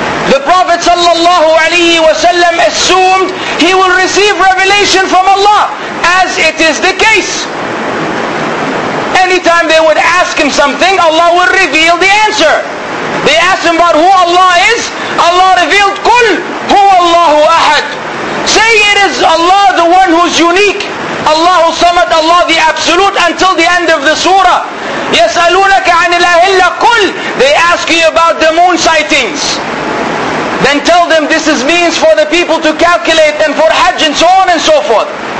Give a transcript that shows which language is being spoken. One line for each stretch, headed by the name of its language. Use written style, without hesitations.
English: The Prophet sallallahu alayhi wa sallam assumed he will receive revelation from Allah, as it is the case. Anytime they would ask him something, Allah would reveal the answer. They asked him about who Allah is. Allah revealed,
Arabic: قُلْ هُوَ اللَّهُ أَحَدْ.
English: Say it is Allah the one who's unique. Allahu Samad, Allah the Absolute, until the end of the surah.
Arabic: يَسْأَلُونَكَ عَنِ الْأَهِلَّ قُلْ.
English: They ask you about the moon sightings. Then tell them this is means for the people to calculate and for Hajj and so on and so forth.